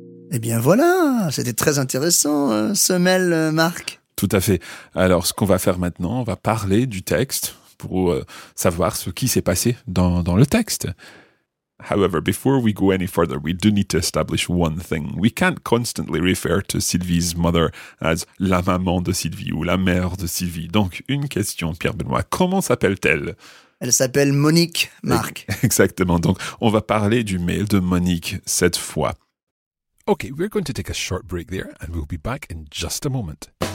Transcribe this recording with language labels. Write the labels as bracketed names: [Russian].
[French] Eh bien voilà, c'était très intéressant, ce mail, Marc. Tout à fait. Alors, ce qu'on va faire maintenant, on va parler du texte pour savoir ce qui s'est passé dans le texte. [English] However, before we go any further, we do need to establish one thing. We can't constantly refer to Sylvie's mother as [French] la maman de Sylvie ou la mère de Sylvie. Donc, une question, Pierre-Benoît, comment s'appelle-t-elle? Elle s'appelle Monique, Marc. Exactement. Donc, on va parler du mail de Monique cette fois. [English] Okay, we're going to take a short break there and we'll be back in just a moment.